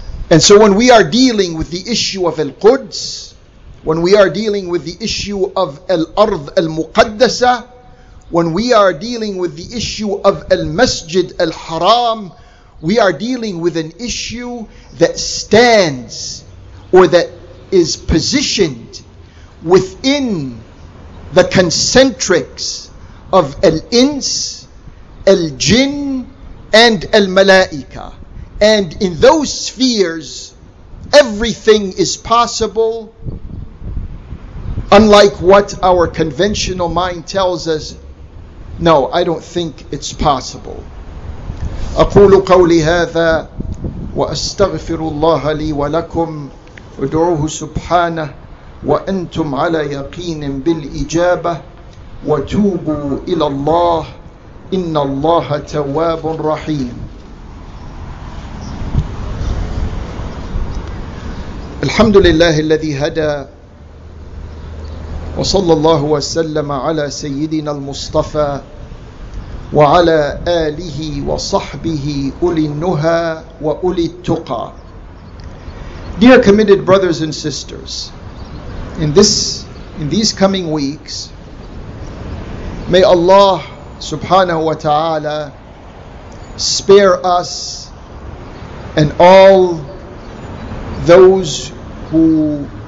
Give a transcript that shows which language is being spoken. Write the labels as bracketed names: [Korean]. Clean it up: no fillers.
[English] And so when we are dealing with the issue of Al-Quds, when we are dealing with the issue of Al-Ard Al-Muqaddasa, when we are dealing with the issue of Al-Masjid Al-Haram, we are dealing with an issue that stands or that is positioned within the concentrics of Al-Ins, Al-Jinn, and Al-Malaika. And in those spheres, everything is possible, unlike what our conventional mind tells us. No, I don't think it's possible. [Arabic] أقول قولي هذا وأستغفر الله لي ولكم ودعوه سبحانه وأنتم على يقين بالإجابة وتوبوا إلى الله إن الله تواب رحيم. الحمد لله الذي هدى وصلى الله وسلم على سيدنا المصطفى وعلى آله وصحبه أولي النهى وأولي التقى. [English] Dear committed brothers and sisters, in these coming weeks, may Allah subhanahu wa ta'ala spare us and all those who